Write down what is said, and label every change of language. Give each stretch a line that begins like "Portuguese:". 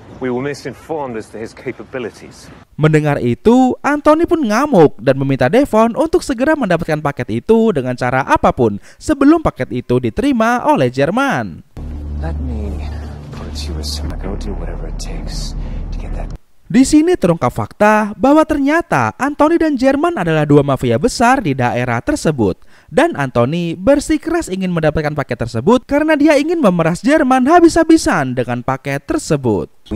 English: We were misinformed as to his capabilities.
Indonesian: Mendengar itu, Anthony pun ngamuk dan meminta Devon untuk segera mendapatkan paket itu dengan cara apapun sebelum paket itu diterima oleh Jerman.
English: Let me put you aside. I'll do whatever it takes to get that.
Indonesian: Di sini terungkap fakta bahwa ternyata Anthony dan Jerman adalah dua mafia besar di daerah tersebut. Dan Anthony bersikeras ingin mendapatkan paket tersebut karena dia ingin memeras Jerman habis-habisan dengan paket tersebut.